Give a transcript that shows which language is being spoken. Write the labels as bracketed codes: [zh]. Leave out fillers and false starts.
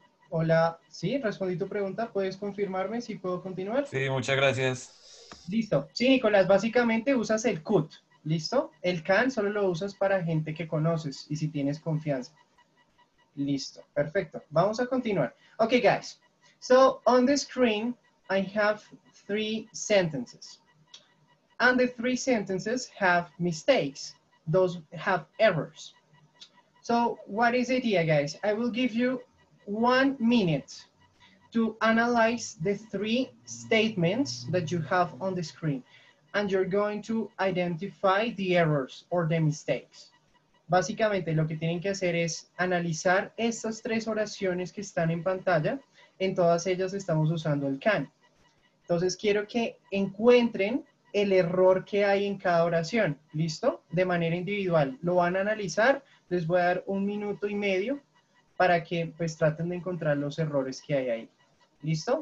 [es] Hola, sí, respondí tu pregunta. ¿Puedes confirmarme si puedo continuar? Sí, muchas gracias. Listo. Sí, Nicolás, básicamente usas el could. ¿Listo? El can solo lo usas para gente que conoces y si tienes confianza. Listo, perfecto. Vamos a continuar. [en] Ok, guys. So, on the screen, I have three sentences. And the three sentences have mistakes. Those have errors. So, what is the idea, guys? I will give you 1 minute to analyze the three statements that you have on the screen. And you're going to identify the errors or the mistakes. [es] Básicamente, lo que tienen que hacer es analizar estas tres oraciones que están en pantalla. En todas ellas estamos usando el can. Entonces, quiero que encuentren el error que hay en cada oración. ¿Listo? De manera individual. Lo van a analizar. Les voy a dar 1 minuto y medio para que pues traten de encontrar los errores que hay ahí. ¿Listo?